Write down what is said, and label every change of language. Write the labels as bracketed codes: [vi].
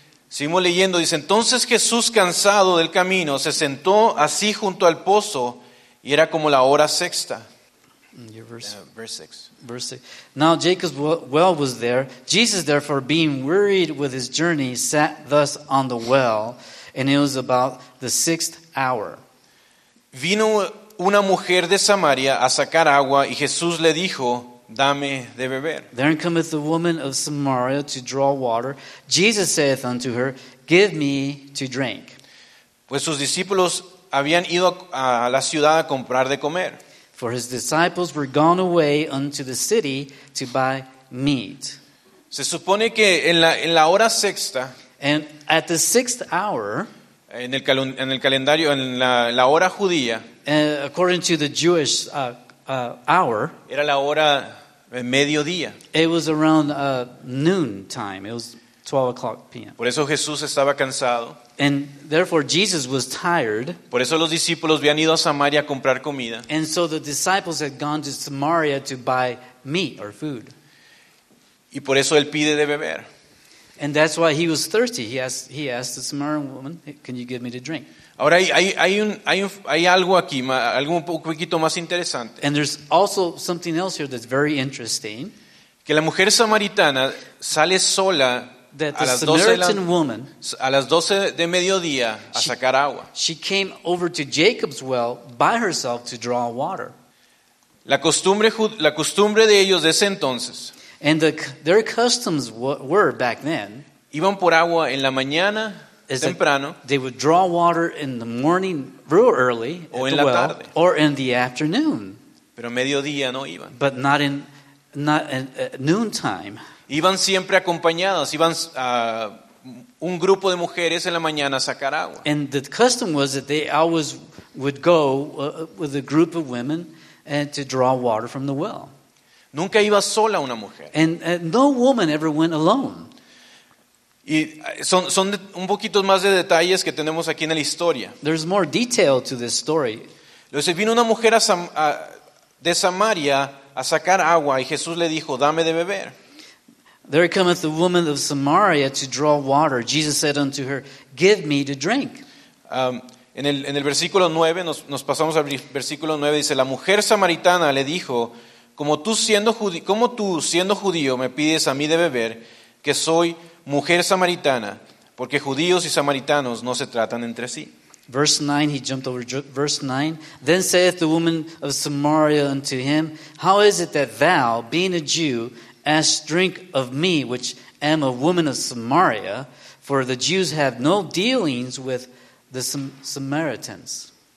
[es] Seguimos leyendo, dice, entonces Jesús, cansado del camino, se sentó así junto al pozo y era como la hora sexta. [en] Verse 6. Now Jacob's well was there. Jesus, therefore, being wearied with his journey, sat thus on the well, and it was about the sixth hour. [es] Vino una mujer de Samaria a sacar agua, y Jesús le dijo, dame de beber. [en] There cometh a woman of Samaria to draw water. Jesus saith unto her, give me to drink. [es] Pues sus discípulos habían ido a la ciudad a comprar de comer. [en] For his disciples were gone away unto the city to buy meat. [es] Se supone que en la hora sexta, [en] and at the sixth hour, [es] en el calendario, en la hora judía, [en] according to the Jewish hour, [es] era la hora mediodía. [en] It was around noon time. It was 12:00 p.m. [es] Por eso Jesús estaba cansado. [en] And therefore Jesus was tired. [es] Por eso los discípulos habían ido a Samaria a comprar comida. [en] And so the disciples had gone to Samaria to buy meat or food. [es] Y por eso él pide de beber. [en] And that's why he was thirsty. He asked the Samaritan woman, "Can you give me to drink?" [es] Ahora hay algo aquí, algo un poquito más interesante. [en] And there's also something else here that's very interesting. [es] Que la mujer samaritana sale sola. [en] That the Samaritan woman, [es] a las 12 de mediodía, a sacar agua. [en] She came over to Jacob's well by herself to draw water. [es] La costumbre de ellos de ese entonces. [en] And their customs were back then. [es] Iban por agua en la mañana temprano. [en] They would draw water in the morning, real early, [es] o en la tarde, [en] or in the afternoon. [es] Pero mediodía no iban. [en] But not at noontime. [es] Iban siempre acompañadas, iban un grupo de mujeres en la mañana a sacar agua. [en] And the custom was that they always would go with a group of women and to draw water from the well. [es] Nunca iba sola una mujer. [en] And no woman ever went alone. [es] Y son un poquito más de detalles que tenemos aquí en la historia. [en] There's more detail to this story. [es] Entonces vino una mujer de Samaria a sacar agua y Jesús le dijo, dame de beber. [en] There cometh a woman of Samaria to draw water. Jesus said unto her, give me to drink. [es] En el versículo 9, nos pasamos al versículo 9, dice, la mujer samaritana le dijo, como tú siendo judío me pides a mí de beber, que soy mujer samaritana, porque judíos y samaritanos no se tratan entre sí. [en] Verse 9, he jumped over verse 9. Then saith the woman of Samaria unto him, how is it that thou, being a Jew, ask drink of me, which am a woman of Samaria, for the Jews have no dealings with the Samaritans.